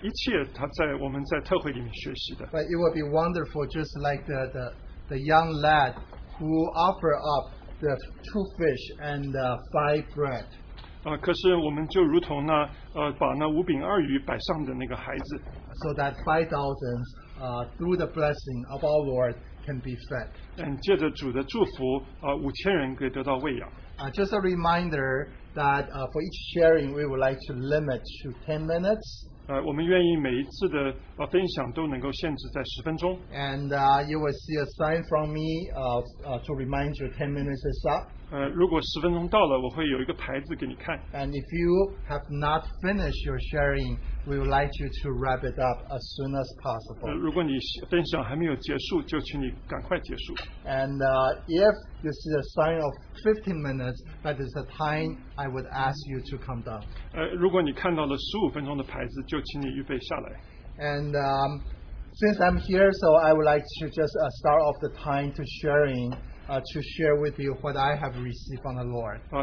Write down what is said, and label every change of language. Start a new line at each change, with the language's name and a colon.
Chinese: 没有人可以正式分享一切他在我们在特会里面学习的。
English: But it would be wonderful, just like the young lad who offered up the two fish and the five bread.
Chinese: 可是我们就如同那把那五饼二鱼摆上的那个孩子。
English: So that 5,000 through the blessing of our Lord can be fed.
Chinese: 借着主的祝福，五千人可以得到喂养。
English: Just a reminder that for each sharing, we would like to limit to 10 minutes.
Chinese: 我们愿意每一次的分享都能够限制在10分钟。
English: And you will see a sign from me to remind you 10 minutes is up.
Chinese: 如果10分钟到了，我会有一个牌子给你看。
English: And if you have not finished your sharing, we would like you to wrap it up as soon as possible.
Chinese: 如果你分享还没有结束，就请你赶快结束。
English: And if you see a sign of 15 minutes, that is the time I would ask you to come down.
Chinese: 如果你看到了15分钟的牌子，就请你预备下来。
English: And since I'm here, so I would like to just start off the time to sharing. To share with you what I have received from the Lord.